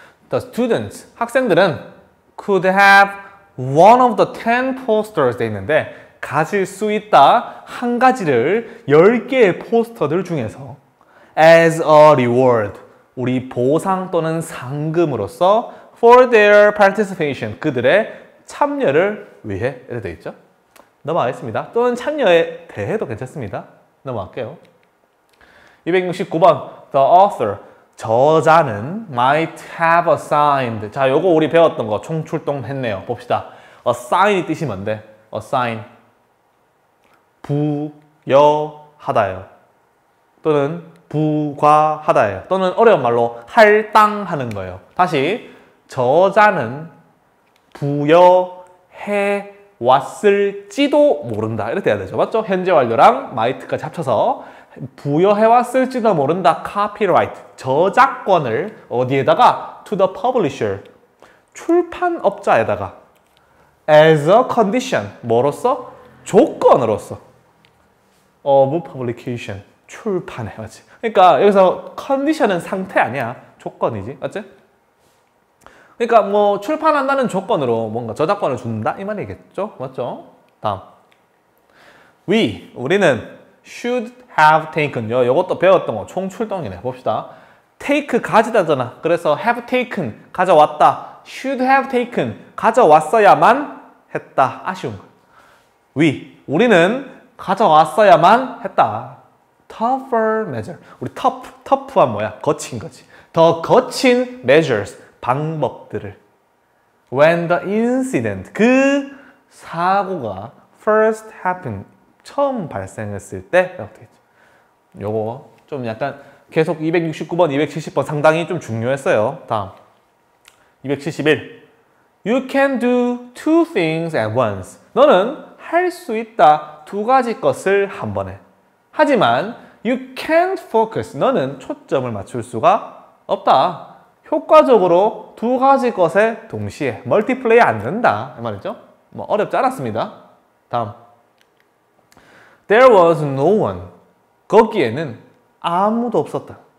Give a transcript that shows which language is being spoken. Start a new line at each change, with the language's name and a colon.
English: The students,
Korean: 학생들은
English: could have one of the 10 posters
Korean: 돼 있는데 가질 수 있다. 한 가지를 10개의 포스터들 중에서
English: as a reward,
Korean: 우리 보상 또는 상금으로서
English: for their participation,
Korean: 그들의 참여를 위해 이렇게 돼 있죠. 넘어가겠습니다. 또는 참여에 대해도 괜찮습니다. 넘어갈게요.
English: 269번 The author,
Korean: 저자는
English: might have assigned.
Korean: 자, 요거 우리 배웠던 거 총출동 했네요. 봅시다. assign이 뜻이 뭔데? assign. 부여하다요. 또는 부과하다요. 또는 어려운 말로 할당하는 거예요. 다시 저자는 부여해 왔을지도 모른다. 이렇게 해야 되죠. 맞죠? 현재 완료랑 might까지 합쳐서 부여해왔을지도 모른다. copyright, 저작권을 어디에다가?
English: to the publisher,
Korean: 출판업자에다가
English: as a condition,
Korean: 뭐로써? 조건으로써
English: of publication,
Korean: 출판에. 맞지? 그러니까 여기서 condition은 상태 아니야. 조건이지. 맞지? 그러니까 뭐 출판한다는 조건으로 뭔가 저작권을 준다? 이 말이겠죠? 맞죠?
English: 다음 we,
Korean: 우리는
English: should have taken요.
Korean: 이것도 배웠던 거 총출동이네. 봅시다. take 가지다잖아. 그래서 have taken 가져왔다.
English: should have taken
Korean: 가져왔어야만 했다. 아쉬운 거. we 우리는 가져왔어야만 했다.
English: tougher measure.
Korean: 우리 tough한 뭐야? 거친 거지. 더 거친 measures 방법들을.
English: when the incident
Korean: 그 사고가
English: first happened
Korean: 처음 발생했을 때 어떻게죠? 요거 좀 약간 계속 269번, 270번 상당히 좀 중요했어요. 다음 271.
English: You can do two things at once.
Korean: 너는 할 수 있다. 두 가지 것을 한 번에. 하지만
English: you can't focus.
Korean: 너는 초점을 맞출 수가 없다. 효과적으로 두 가지 것에 동시에 멀티플레이 안 된다. 이 말이죠. 뭐 어렵지 않았습니다. 다음.
English: There was no one.
Korean: 거기에는 아무도 없었다.